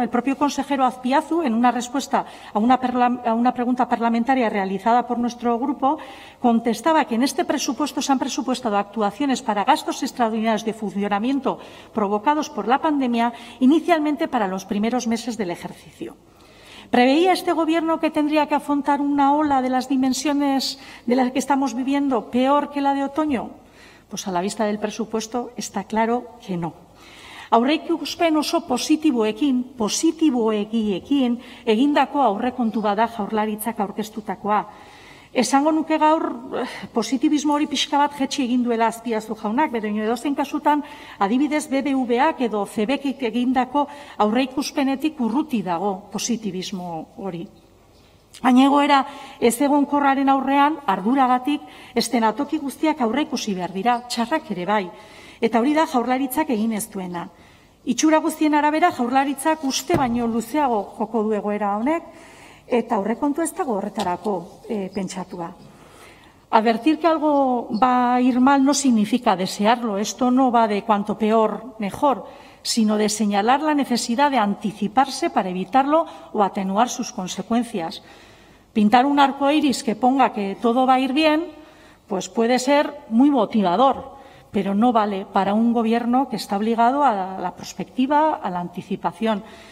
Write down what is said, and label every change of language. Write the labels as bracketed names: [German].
[Spanish] El propio consejero Azpiazu, en una respuesta a una pregunta parlamentaria realizada por nuestro grupo, contestaba que en este presupuesto se han presupuestado actuaciones para gastos extraordinarios de funcionamiento provocados por la pandemia, inicialmente para los primeros meses del ejercicio. ¿Preveía este gobierno que tendría que afrontar una ola de las dimensiones de las que estamos viviendo peor que la de otoño? Pues a la vista del presupuesto está claro que no. [Basque] Aurreikuspen oso positiboekin, positiboegiekin, egindako aurrekontu bada Jaurlaritzak aurkeztutakoa. Esango nuke gaur positibismo hori pixka bat jetxi egin duela Azpiazu jaunak, baina edozein kasutan adibidez BBVak edo CBkik egindako aurreikuspenetik urruti dago positibismo hori. Baina egoera ez egonkorraren aurrean arduragatik estenatoki guztiak aurreikusi behar dira, txarrak ere bai. Eta hori da Jaurlaritzak egin ez duena. Itxura guztien arabera Jaurlaritzak uste baino luzeago joko du egoera honek, eta aurrekontu ez dago horretarako pentsatua. [Spanish] Advertir que algo va a ir mal no significa desearlo. Esto no va de cuanto peor mejor, sino de señalar la necesidad de anticiparse para evitarlo o atenuar sus consecuencias. Pintar un arco iris que ponga que todo va a ir bien, pues puede ser muy motivador, pero no vale para un gobierno que está obligado a la prospectiva, a la anticipación.